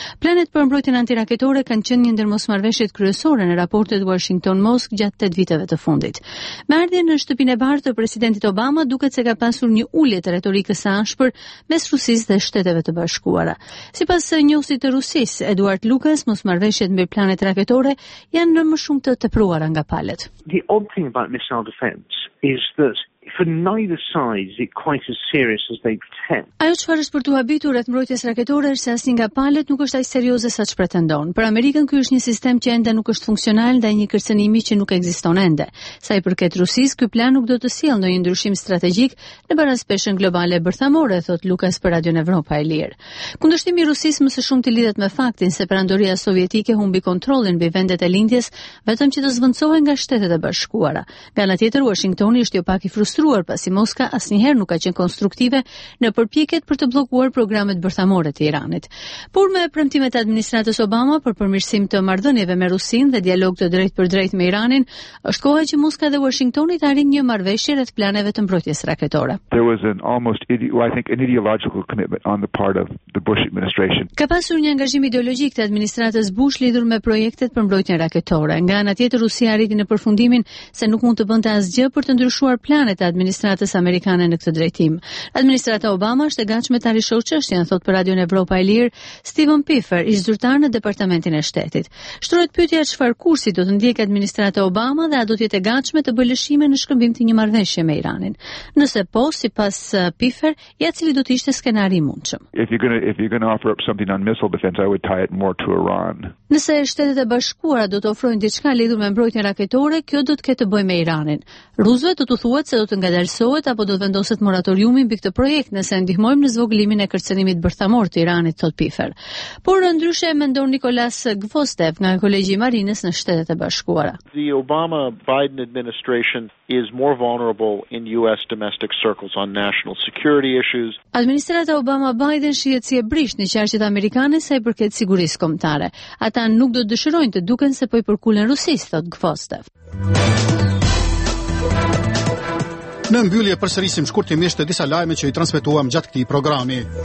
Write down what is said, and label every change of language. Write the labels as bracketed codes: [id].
[sq] Planet për mbrojtjen antiraketore kanë qenë një ndër mosmarrveshjet kryesore në raportet Washington-Mosk gjatë 8 viteve të fundit. Me ardhjen në shtëpinë e bardhë të presidentit Obama duket se ka pasur një ulje të retorikës së ashpër mes Rusisë dhe Shteteve të Bashkuara. Sipas njohësit të Rusisë, Eduard Lukas, mosmarrveshjet mbi planet raketore janë në më shumë të tepruara nga palët. [en] The odd thing about missile defense is that for neither side is it quite as serious as they pretend. [sq] Ajo çfarë është për tu habitur rreth mbrojtjes raketore është se asnjë nga palët nuk është aq serioze saç pretendon. Për Amerikën ky është një sistem që ende nuk është funksional ndaj një kërcënimi që nuk ekziston ende. Sa i përket Rusisë, ky plan nuk do të sjellë ndonjë ndryshim strategjik në paraspeshën globale bërthamore, thot Lukas për Radio Evropa e Lirë. Kundërshtimi i Rusisë më së shumti lidhet me faktin se perandoria sovjetike humbi kontrollin mbi vendet e lindjes vetëm që të zvendësohen nga Shtetet e Bashkuara. Nga ana tjetër, Washingtoni është jo pak i frustruar pasi Moska asnjëherë nuk ka qenë konstruktive në përpjekjet për të bllokuar programet bërthamore të Iranit. Por me premtimet e administratës Obama për përmirësim të marrëdhënieve me Rusinë dhe dialog të drejtpërdrejtë me Iranin, është koha që Moska dhe Washingtoni të arrijnë një marrëveshje rreth planeve të mbrojtjes raketore. [en] There was an almost an ideological commitment on the part of the Bush administration. [sq] Ka pasur një angazhim ideologjik të administratës Bush lidhur me projektet për mbrojtjen raketore. Nga ana tjetër, Rusia arriti në përfundimin se nuk mund të bënte asgjë për të ndryshuar planet e administratës amerikane në këtë drejtim. Administrata Obama është e gatshme ta rishojë çështjen, thot për Radio Evropa e Lirë Stephen Piffer, ish zyrtar në Departamentin e Shtetit. Shtrohet pyetja çfarë kursi do të ndjekë administrata Obama dhe a do të jetë e gatshme të bëjë lëshime në shkëmbim të një marrëveshje me Iranin. Nëse po, sipas Piffer, ja cili do të ishte skenari i mundshëm. [en] If you're going to offer up something on missile defense, I would tie it more to Iran. [sq] Nëse Shtetet e Bashkuara do të ofrojnë diçka lidhur me mbrojtjen raketore, kjo do të ketë të bëjë me Iranin. Rusëve do të thuhet se do të ngadalësohet apo do të vendoset moratoriumi mbi këtë projekt nëse ndihmojmë në zvogëlimin e kërcënimit bërthamor të Iranit, thot Piffer. Por ndryshe mendon Nikolas Gvostev nga Kolegji i Marinës në Shtetet e Bashkuara. [en] The Obama Biden administration is more vulnerable in US domestic circles on national security issues. [sq] Administrata Obama Biden shihet si e brisht në qarqet amerikane sa i përket sigurisë kombëtare. Ata nuk do të dëshirojnë të duken se po i përkulen Rusisë, thot Gvostev. Në mbyllje përsërisim shkurtimisht disa lajme që i transmetuam gjatë këtij programi.